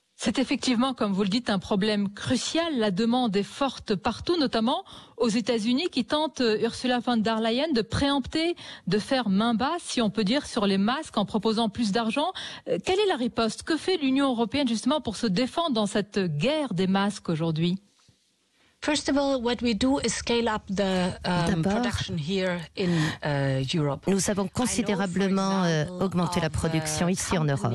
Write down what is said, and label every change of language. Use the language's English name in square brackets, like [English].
[French] C'est effectivement, comme vous le dites, un problème crucial. La demande est forte partout, notamment aux États-Unis, qui tentent, Ursula von der Leyen, de préempter, de faire main basse, si on peut dire, sur les masques en proposant plus d'argent. Quelle est la riposte? Que fait l'Union européenne justement pour se défendre dans cette guerre des masques aujourd'hui? [English] First of all, what we do is scale up the production here in Europe. [French] Nous avons considérablement augmenté la production ici en Europe.